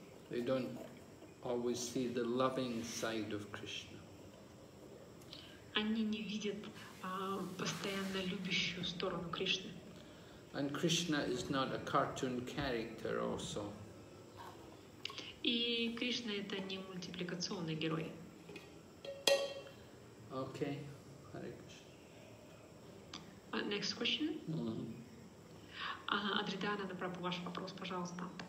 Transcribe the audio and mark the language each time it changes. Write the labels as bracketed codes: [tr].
[en] They don't always see the loving side of Krishna. [ru] Они не видят постоянно любящую сторону Кришны. [en] And Krishna is not a cartoon character also. [ru] И Кришна это не мультипликационный герой. [en] Okay. Next question. Mm-hmm. [ru] Адридана, Прабху, ваш вопрос, пожалуйста.